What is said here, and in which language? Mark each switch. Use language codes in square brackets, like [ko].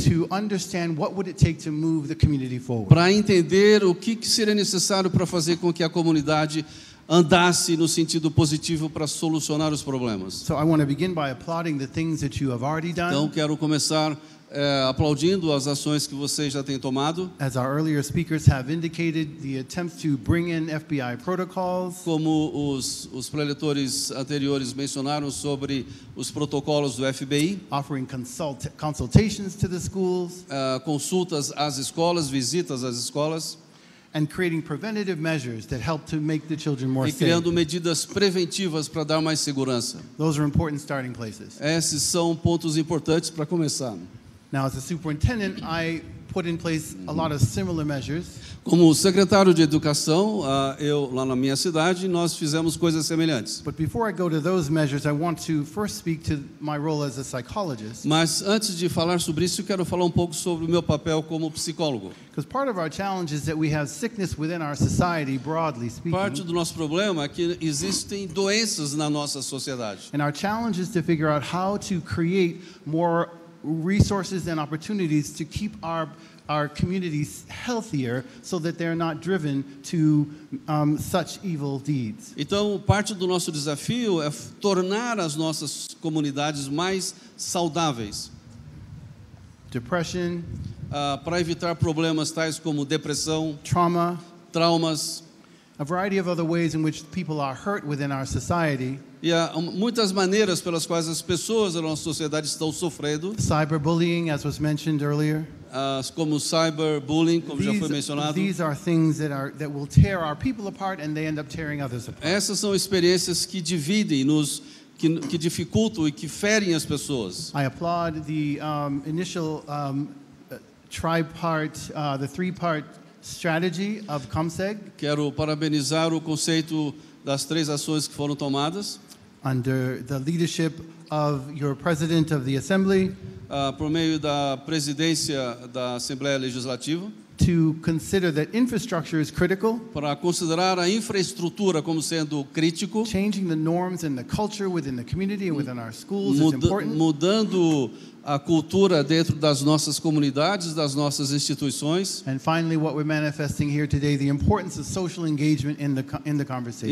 [en] to understand what would it take to move the community forward, [pt] para entender o que seria necessário para fazer com que a comunidade andasse no sentido positivo para solucionar os problemas. [en] So I want to begin by applauding the things that you have already done. [pt] Então quero começar aplaudindo as ações que vocês já têm tomado. [en] As our earlier speakers have indicated, the attempts to bring in FBI protocols. [pt] Como os preletores anteriores mencionaram sobre os protocolos do FBI. [en] Offering consultations to the schools. [pt] Consultas às escolas, visitas às escolas. [en] And creating preventative measures that help to make the children more safe. [pt] E criando medidas preventivas para dar mais segurança. [en] Those are important starting places. [pt] Esses são pontos importantes para começar. [en] Now, as a superintendent, I put in place a lot of similar measures. [pt] Como secretário de educação, eu lá na minha cidade, nós fizemos coisas semelhantes. [en] But before I go to those measures, I want to first speak to my role as a psychologist. [pt] Mas antes de falar sobre isso, eu quero falar um pouco sobre o meu papel como psicólogo. [en] Because part of our challenge is that we have sickness within our society, broadly speaking. [pt] Parte do nosso problema é que existem doenças na nossa sociedade. [en] And our challenge is to figure out how to create more resources and opportunities to keep our communities healthier so that they're not driven to such evil deeds. [pt] Então, parte do nosso desafio é tornar as nossas comunidades mais saudáveis. [en] Depression, [pt] para evitar problemas tais como depressão, [en] trauma, [pt] traumas, [en] a variety of other ways in which people are hurt within our society. [pt] Yeah, muitas maneiras pelas quais as pessoas da nossa sociedade estão sofrendo. [en] Cyberbullying, as was mentioned earlier. [pt] Como cyberbullying, como já foi mencionado. [en] These are things that will tear our people apart and they end up tearing others apart. [pt] Essas são experiências que dividem nos que dificultam e que ferem as pessoas. [en] I applaud the the three-part strategy of COMSEG. [pt] Quero parabenizar o conceito das três ações que foram tomadas. [en] Under the leadership of your president of the assembly. [pt] Por meio da presidência da Assembleia Legislativa. [en] To consider that infrastructure is critical. [pt] Para considerar a infraestrutura como sendo crítico. [en] Changing the norms and the culture within the community and within our schools is important. [pt] Mudando a cultura dentro das nossas comunidades, das nossas instituições. [en] And finally, what we're manifesting here today, the importance of social engagement in the conversation.